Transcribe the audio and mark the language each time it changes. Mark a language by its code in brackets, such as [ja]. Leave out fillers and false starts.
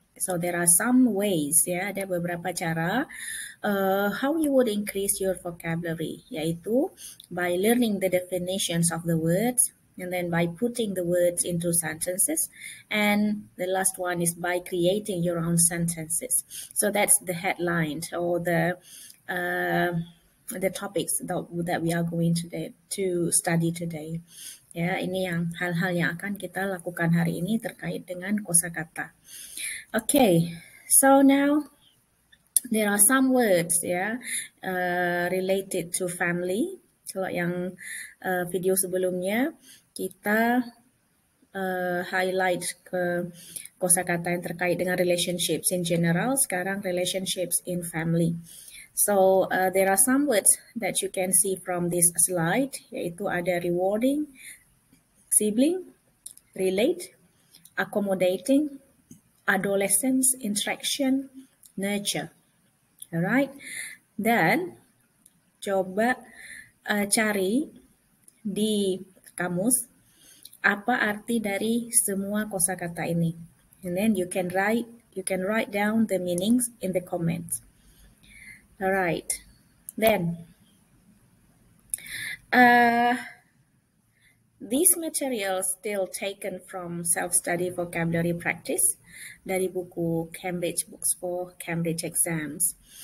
[en] So there are some ways, ya, [id] ada beberapa cara [en] how you would increase your vocabulary, yaitu by learning the definitions of the words, and then by putting the words into sentences, and the last one is by creating your own sentences. So that's the headline or the topics that we are going to study today. [id] Ya, ini yang hal-hal yang akan kita lakukan hari ini terkait dengan kosakata. [en] Okay, so now there are some words ya related to family. [id] Kalau yang video sebelumnya kita highlight ke kosakata yang terkait dengan [en] relationships in general. Sekarang relationships in family. So there are some words that you can see from this slide. [id] Yaitu ada rewarding, sibling, relate, accommodating, adolescence, interaction, nurture. Alright, dan coba cari di kamus apa arti dari semua kosakata ini. [en] And then you can write down the meanings in the comments. Alright, then these materials still taken from self-study vocabulary practice [id] dari buku [en] Cambridge Books for Cambridge Exams.